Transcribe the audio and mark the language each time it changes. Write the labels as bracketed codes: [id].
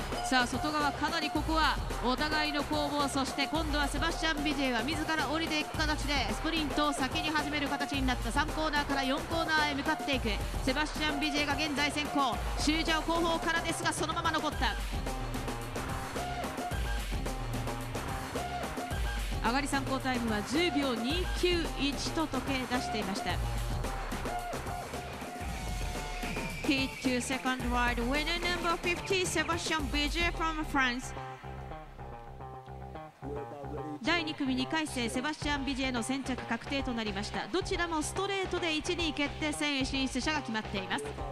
[ja] さあ外側かなりここはお互いの攻防、そして今度はセバスチャン・ビジェは自ら降りていく形でスプリントを先に始める形になった。3コーナーから4コーナーへ向かっていくセバスチャン・ビジェが現在先行、シュージャオ後方からですがそのまま残った。上がり参考タイムは10秒291と時計出していました。 [en] Heat 2 second ride, winner number 50, Sebastian Vigier from France. [ja] 第2組2回戦、セバスチャン・ビジェの先着確定となりました。どちらもストレートで1位決定戦へ進出者が決まっています。